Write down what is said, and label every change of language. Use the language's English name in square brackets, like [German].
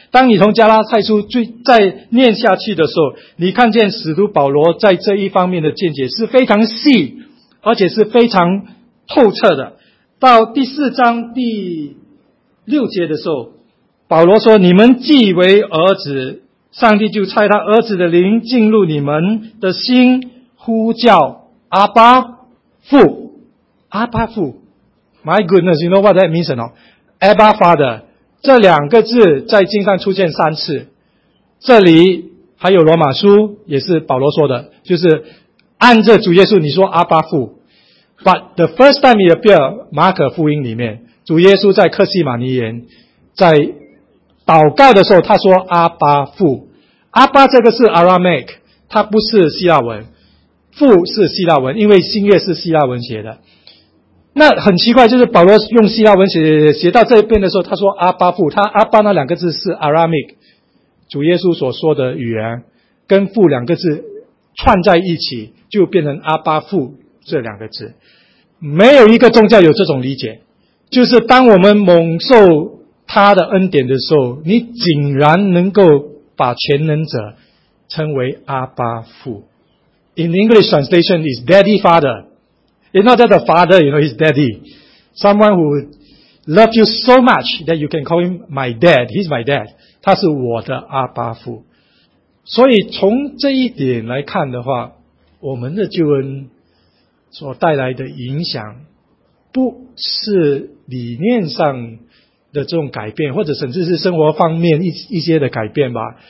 [Chinese] 当你从加拉太书再念下去的时候，你看见使徒保罗在这一方面的见解是非常细而且是非常透彻的。到第四章第六节的时候，保罗说，你们既为儿子，上帝就差他儿子的灵进入你们的心，呼叫阿巴父。 [English] 阿巴父， My goodness, you know what that means? [Chinese] Abba Father， 这两个字在经上出现三次，这里还有罗马书也是保罗说的，就是按着主耶稣你说阿巴父。 But the first time he appeared，马可福音里面主耶稣在克西马尼园在祷告的时候，他说阿巴父。阿巴这个是 Aramaic， 它不是希腊文，父是希腊文，因为新约是希腊文写的。那很奇怪，就是保罗用希腊文写到这一边的时候，他说阿巴父，他阿巴那两个字是 Aramaic， 主耶稣所说的语言，跟父两个字串在一起，就变成阿巴父这两个字。没有一个宗教有这种理解，就是当我们蒙受他的恩典的时候，你竟然能够把全能者称为阿巴父。 [English] In English translation, is daddy father. It's not that the father, you know, he's daddy. Someone who loves you so much that you can call him my dad. He's my dad. 他是我的阿巴父。 [Chinese] 所以从这一点来看的话，我们的救恩所带来的影响，不是理念上的这种改变，或者甚至是生活方面一些的改变吧。